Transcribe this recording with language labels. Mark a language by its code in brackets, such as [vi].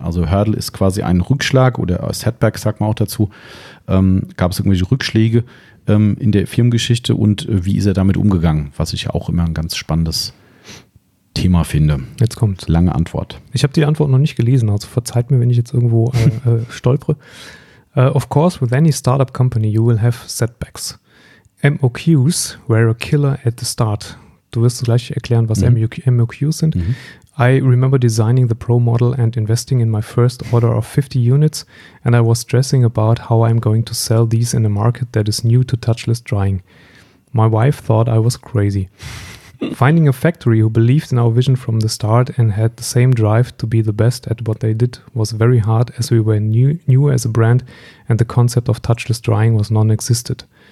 [de] Also Hurdle ist quasi ein Rückschlag oder Setback, sagt man auch dazu. Gab es irgendwelche Rückschläge in der Firmengeschichte und wie ist er damit umgegangen? Was ich ja auch immer ein ganz spannendes Thema finde. Jetzt kommt's. Lange Antwort. Ich habe die Antwort noch nicht gelesen, also verzeiht mir, wenn ich jetzt irgendwo stolpere. [en] Of course, with any startup company, you will have setbacks. MOQs were a killer at the start. [de] Du wirst gleich erklären, was MOQs sind. Mhm. [en] I remember designing the Pro model and investing in my first order of 50 units and I was stressing about how I'm going to sell these in a market that is new to touchless drying. My wife thought I was crazy. Finding a factory who believed in our vision from the start and had the same drive to be the best at what they did was very hard as we were new as a brand and the concept of touchless drying was non-existent.